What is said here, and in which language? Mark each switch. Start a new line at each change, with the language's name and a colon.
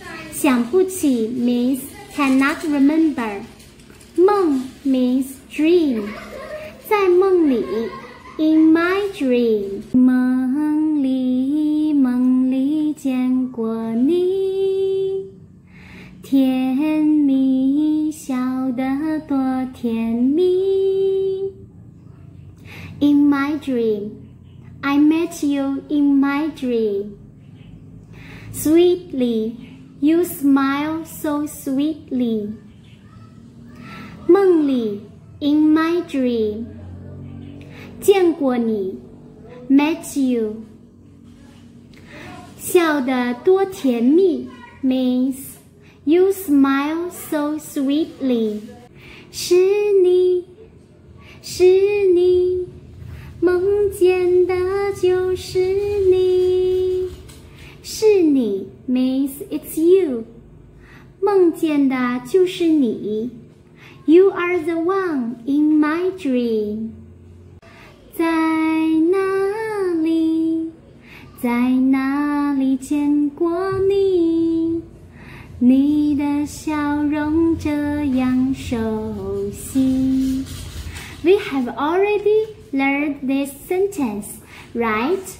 Chinese: 想不起
English: means cannot remember. 梦 means dream.
Chinese: 在梦里
English: in my dream.
Chinese: 梦里，梦里见过你，甜蜜笑得多甜蜜。
English: In my dream, I met you in my dream. Sweetly, you smile so sweetly. 梦里 in my dream.
Chinese: 见过你
English: met you.
Chinese: 笑得多甜蜜
English: means you smile so sweetly.
Chinese: 是你，是你，梦见的就是你。是你
English: means it's you.
Chinese: 梦见的就是你。
English: You are the one in my dream.
Chinese: 在哪里，在哪里见过你，你的笑容这样熟悉。
English: We have already learned this sentence, right?